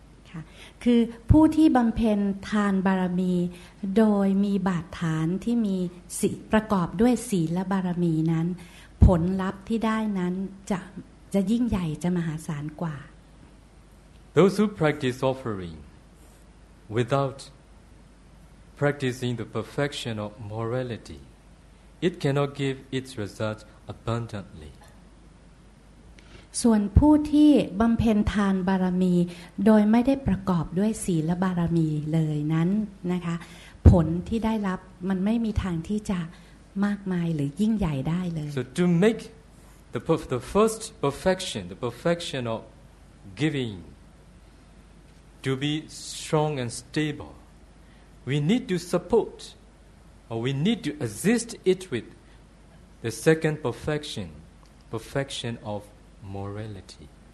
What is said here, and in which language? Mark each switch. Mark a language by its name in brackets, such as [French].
[Thai] ค่ะคือผู้ที่บำเพ็ญทานบารมีโดยมีบาดฐานที่มีศีลประกอบด้วยศีลและบารมีนั้นผลลัพธ์ที่ได้นั้นจะยิ่งใหญ่จะมหาศาลกว่า [English] Those who practice offering without practicing the perfection of morality, it cannot give its result abundantly. [Thai] ส่วนผู้ที่บำเพ็ญทานบารมีโดยไม่ได้ประกอบด้วยศีลบารมีเลยนั้นนะคะผลที่ได้รับมันไม่มีทางที่จะมากมายหรือยิ่งใหญ่ได้เลย [English] So to make the first perfection, the perfection of giving to be strong and stable, we need to support or we need to assist it with the second perfection ofMorality.